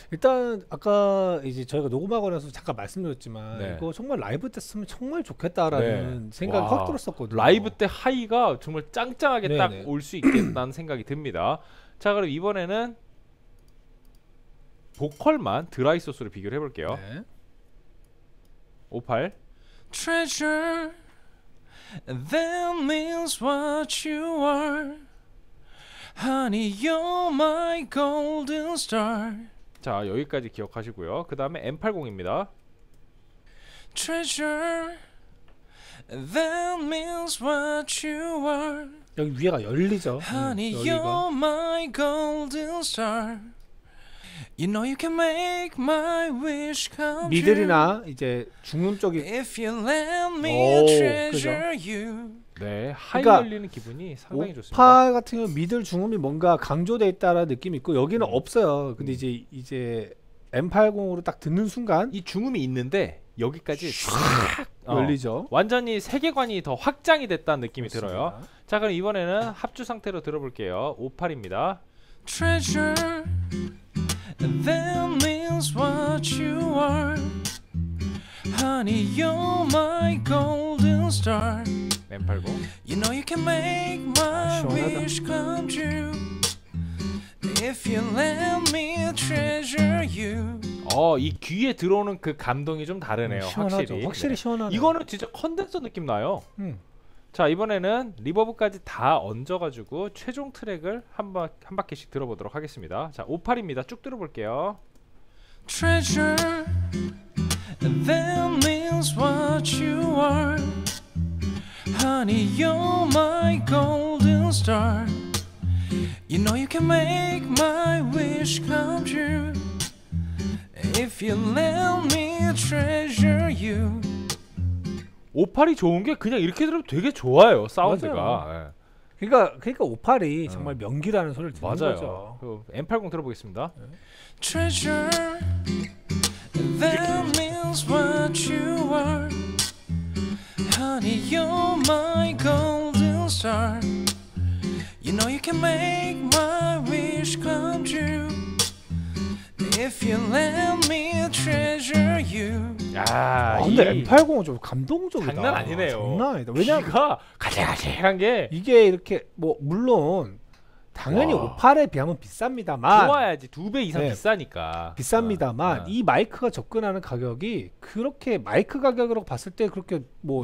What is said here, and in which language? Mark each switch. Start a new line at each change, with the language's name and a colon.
Korean: 일단 아까 이제 저희가 녹음하고나서 잠깐 말씀드렸지만 네. 이거 정말 라이브 때 쓰면 정말 좋겠다라는 네. 생각이 확 들었었거든요. 라이브 때 하이가 정말 짱짱하게 딱 올 수 있겠다는 생각이 듭니다. 자, 그럼 이번에는 보컬만 드라이 소스로 비교를 해볼게요. 네.
English: 58 Treasure That means what you are Honey you're my golden star.
Korean: 자, 여기까지 기억하시고요. 그 다음에 M80입니다 Treasure
English: That means what you are.
Korean: 여기 위에가 열리죠.
English: Honey
Korean: 열리가.
English: you're my golden star. You know you can make my wish come true.
Korean: 미들이나 이제 중음적인
English: If you let me treasure you.
Korean: 네, 하이 열리는 그러니까 기분이 상당히 좋습니다. 58 같은 경우 미들 중음이 뭔가 강조되어 있다라는 느낌이 있고 여기는 없어요. 근데 이제 M80으로 딱 듣는 순간 이 중음이 있는데 여기까지 촥 열리죠. 완전히 세계관이 더 확장이 됐다는 느낌이 그렇습니다. 들어요. 자, 그럼 이번에는 합주 상태로 들어볼게요. 58입니다
English: Treasure That means what you are Honey you're my golden star M80 You know you can make my wish come true If you let me treasure you.
Korean: 이 귀에 들어오는 그 감동이 좀 다르네요. 시원하죠. 확실히 네. 시원하네. 이거는 진짜 컨덴서 느낌 나요. 자, 이번에는 리버브까지 다 얹어가지고 최종 트랙을 한 바퀴씩 들어보도록 하겠습니다. 자, 58입니다. 쭉 들어볼게요.
English: Treasure That means what you are Honey you're my golden star You know you can make my wish come true If you let me treasure you
Korean: 58이 좋은 게 그냥 이렇게 들으면 되게 좋아요. 사운드가. 네. 그러니까 58이 정말 명기라는 소리를 듣는 맞아요. 거죠. 맞아요. M80 들어보겠습니다. 네.
English: Treasure That means what you are Honey you're my golden star You know you can make my wish come true If you let me treasure you
Korean: 근데 M80은 좀 감동적이다. 장난 아니네요. 장난 아니다. 왜냐면 귀가 가재가재한 게 이게 이렇게 뭐 물론 당연히 와. 58에 비하면 비쌉니다만 좋아야지 두 배 이상 네. 비싸니까 비쌉니다만 이 마이크가 접근하는 가격이 그렇게 마이크 가격으로 봤을 때 그렇게 뭐